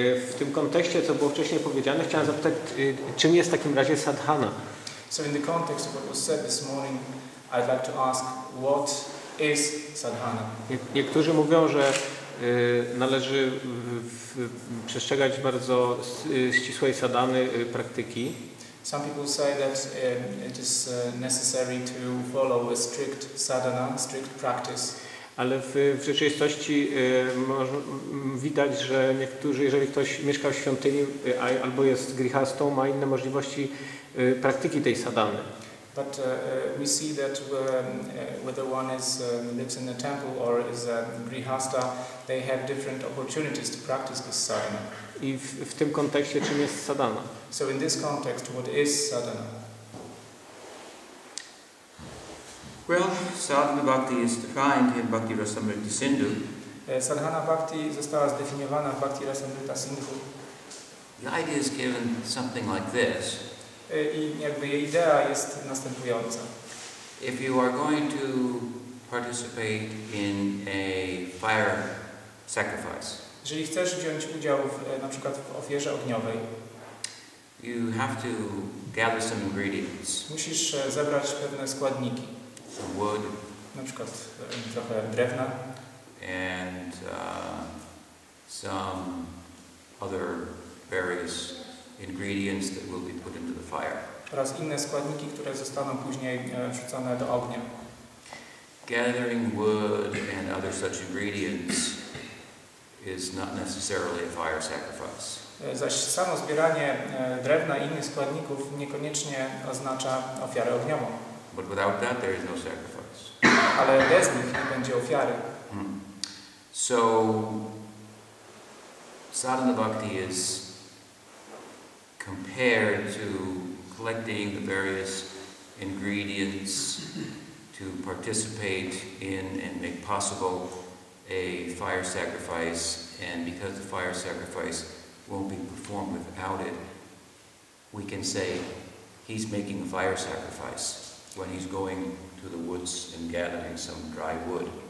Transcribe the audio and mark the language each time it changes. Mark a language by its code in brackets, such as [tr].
[pl] W tym kontekście, co było wcześniej powiedziane, chciałem zapytać, czym jest w takim razie sadhana? [en] So in the context of what was said this morning, I'd like to ask, what is sadhana? [pl] Niektórzy mówią, że należy przestrzegać bardzo ścisłej sadhany praktyki. [en] Some people say that it is necessary to follow a strict sadhana, strict practice. [pl] Ale w rzeczywistości widać, że niektórzy, jeżeli ktoś mieszka w świątyni albo jest grihastą, ma inne możliwości praktyki tej sadhany. [en] But we see that whether one is lives in a temple or is a grihasta, they have different opportunities to practice this sadhana. [pl] I w tym kontekście, czym jest sadhana? [en] So in this context, what is sadhana? Well, sadhana bhakti is defined in Bhakti Rasamrita Sindhu. [pl] Sadhana bhakti została zdefiniowana w Bhakti Rasamrita Sindhu. [en] The idea is given something like this. [pl] I jakby jej idea jest następująca. [en] If you are going to participate in a fire sacrifice, [pl] jeżeli chcesz wziąć udział w, na przykład w ofierze ogniowej, [en] you have to gather some ingredients. [pl] Musisz zebrać pewne składniki. [en] Some wood, [pl] na przykład trochę drewna. [en] And some other various ingredients that will be put into the fire. [pl] Oraz inne składniki, które zostaną później wrzucone do ognia. [en] Gathering wood and other such ingredients is not necessarily a fire sacrifice. [pl] Zaś samo zbieranie drewna i innych składników niekoniecznie oznacza ofiarę ogniową. [en] But without that, there is no sacrifice. [pl] Ale bez nich nie będzie ofiary. Hmm. [en] So, sadhana bhakti is compared to collecting the various ingredients to participate in and make possible a fire sacrifice, and because the fire sacrifice won't be performed without it, we can say he's making a fire sacrifice when he's going to the woods and gathering some dry wood.